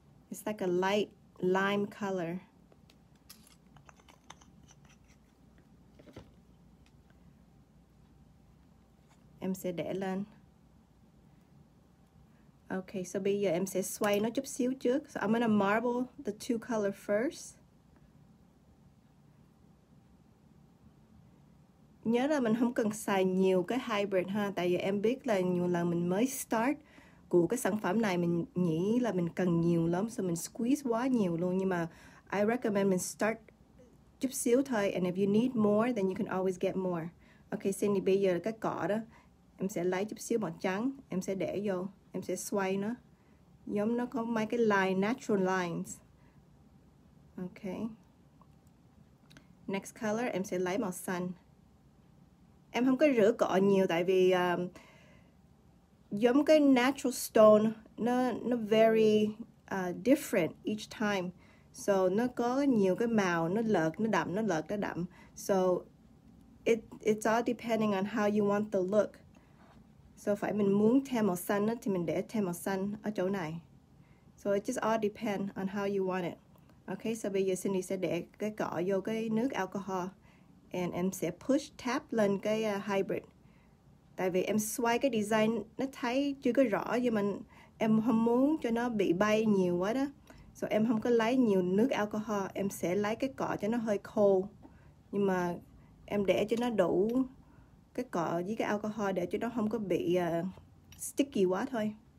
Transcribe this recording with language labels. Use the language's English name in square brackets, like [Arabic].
[English] It's like a light lime color. [Vietnamese] Em sẽ để lên. Ok, so bây giờ em sẽ xoay nó chút xíu trước. [English] So I'm gonna marble the two color first. [Vietnamese] Nhớ là mình không cần xài nhiều cái hybrid ha, tại vì em biết là nhiều lần mình mới start của cái sản phẩm này mình nghĩ là mình cần nhiều lắm, so mình squeeze quá nhiều luôn, nhưng mà [English] I recommend [Vietnamese] mình start chút xíu thôi, [English] and if you need more then you can always get more. [Vietnamese] Okay, Cindy, bây giờ cái cỏ đó em sẽ lấy chút xíu màu trắng, em sẽ để vô, em sẽ xoay nó giống nó có mấy cái line, [English] natural lines. [Vietnamese] Okay, [English] next color [Vietnamese] em sẽ lấy màu xanh. Em không có rửa cỏ nhiều tại vì giống cái natural stone nó [English] very different each time. [Vietnamese] So nó có nhiều cái màu, nó lợt, nó đậm, nó lợt, nó đậm. [English] So it's all depending on how you want the look. [Vietnamese] So phải mình muốn thêm màu xanh đó, thì mình để thêm màu xanh ở chỗ này. [English] So it just all depend on how you want it. [Vietnamese] Okay, so bây giờ Cindy sẽ để cái cỏ vô cái nước alcohol. And em sẽ push tap lên cái hybrid. Tại vì em xoay cái design nó thấy chưa có rõ, nhưng mà em không muốn cho nó bị bay nhiều quá đó. So em không có lấy nhiều nước alcohol, em sẽ lấy cái cọ cho nó hơi khô, nhưng mà em để cho nó đủ cái cọ với cái alcohol để cho nó không có bị sticky quá thôi.